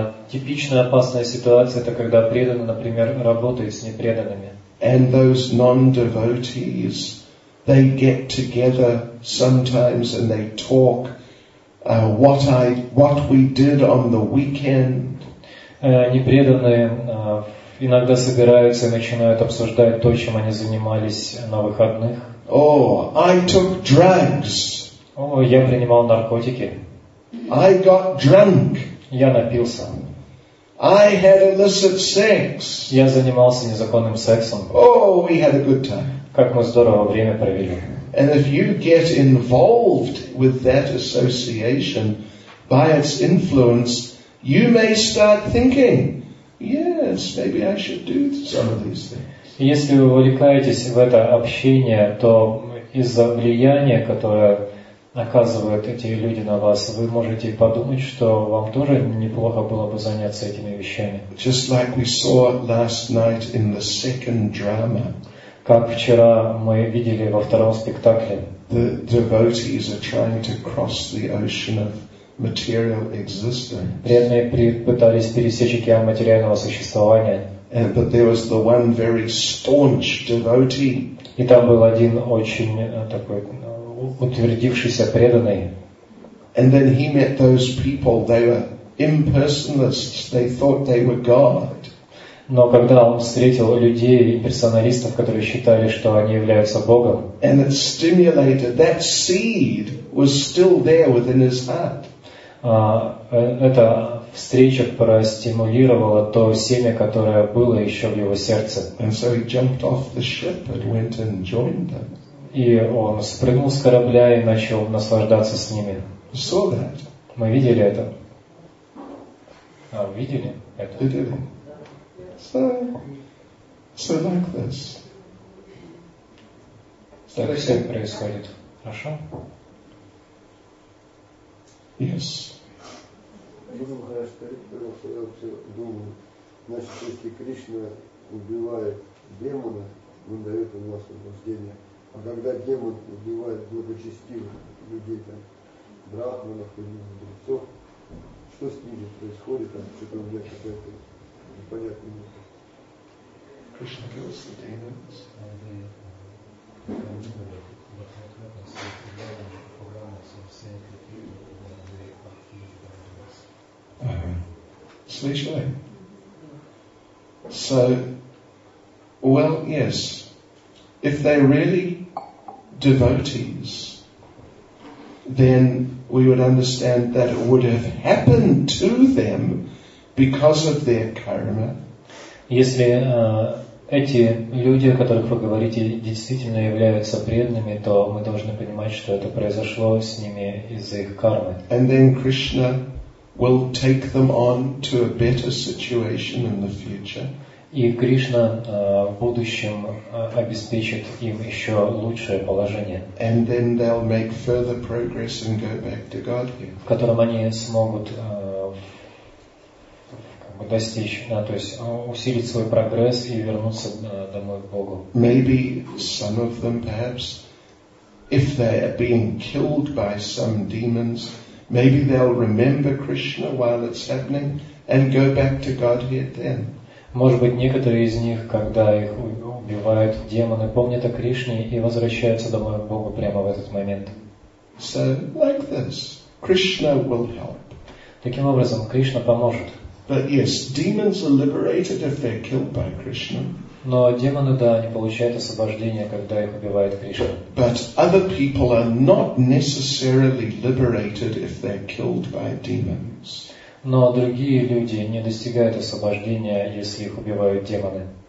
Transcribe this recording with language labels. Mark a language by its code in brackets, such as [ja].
[ru] Типичная опасная ситуация — это когда преданный, например, работает с непреданными. [en] and those non-devotees, they get together sometimes and they talk what we did on the weekend. [ru] Непреданные иногда собираются и начинают обсуждать то, чем они занимались на выходных. [en] Oh, I took drugs. [ru] Oh, я принимал наркотики. [en] I got drunk. [ru] Я напился. [en] I had illicit sex. [ru] Я занимался незаконным сексом. [en] Oh, we had a good time. [ru] Как мы здорово время провели. [en] And if you get involved with that association by its influence, you may start thinking, yes, maybe I should do some of these things. [ru] Если вы увлекаетесь в это общение, то из-за влияния, которое оказывают эти люди на вас, вы можете подумать, что вам тоже неплохо было бы заняться этими вещами. [en] Just like we saw last night in the second drama. [ru] Как вчера мы видели во втором спектакле. [en] The devotees are trying to cross the ocean of material existence. [ru] Преданные пытались пересечь океан материального существования. [en] But there was the one very staunch devotee. [ru] И там был один очень такой утвердившийся преданный. [en] And then he met those people. They were impersonalists. They thought they were God. [ru] Но когда он встретил людей и персоналистов, которые считали, что они являются Богом, [en] and it stimulated, that seed was still there within his heart. [ru] Эта встреча простимулировала то семя, которое было еще в его сердце. [en] And so he jumped off the ship and went and joined them. [ru] И он спрыгнул с корабля и начал наслаждаться с ними. [en] Saw that. [ru] Мы видели это. Видели это? Видели. [en] So like this. [ru] Так все происходит. Хорошо? [en] Yes. [ru] Будем хорошо, пожалуйста, я вообще думаю, значит, если Кришна убивает демона, он дает ему освобождение. А когда демон убивает благочестивых людей, там, брахманов или мудрецов, что с ними происходит, там, что-то у меня какая-то непонятная мысль. [en] Кришна kills the demons. [ru] Слышали? [en] So, well, yes. If they're really devotees, then we would understand that it would have happened to them because of their karma. [ru] Если эти люди, о которых вы говорите, действительно являются преданными, то мы должны понимать, что это произошло с ними из-за их кармы. [en] And then Krishna will take them on to a better situation in the future. [ru] И Кришна в будущем обеспечит им еще лучшее положение. [en] And then they'll make further progress and go back to Godhead. [ru] В котором они смогут достичь, да, то есть усилить свой прогресс и вернуться домой к Богу. [en] Maybe some of them, perhaps, if they are being killed by some demons, maybe they'll remember Krishna while it's happening and go back to Godhead then. [ru] Может быть, некоторые из них, когда их убивают демоны, помнят о Кришне и возвращаются домой к Богу прямо в этот момент. [en] So, like this, Krishna will help. [ru] Таким образом, Кришна поможет. [en] But yes, demons are liberated if they're killed by Krishna. [ru] Но демоны, да, они получают освобождение, когда их убивает Кришна. [en] But other people are not necessarily liberated if they're killed by demons. [ru] Но другие люди не достигают освобождения, если их убивают демоны.